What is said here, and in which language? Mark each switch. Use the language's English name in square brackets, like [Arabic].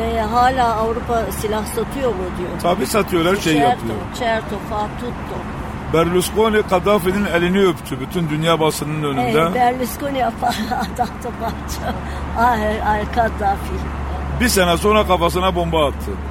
[Turkish] Hala Avrupa silah satıyor mu diyor. Tabii satıyor, her şeyi yapıyor. [Italian] Certo, fa tutto. [Turkish] Berlusconi Kaddafi'nin elini öptü bütün dünya basınının önünde. [Italian] Berlusconi ha fatto bacio al Kaddafi. [Turkish] Bir sene sonra kafasına bomba attı.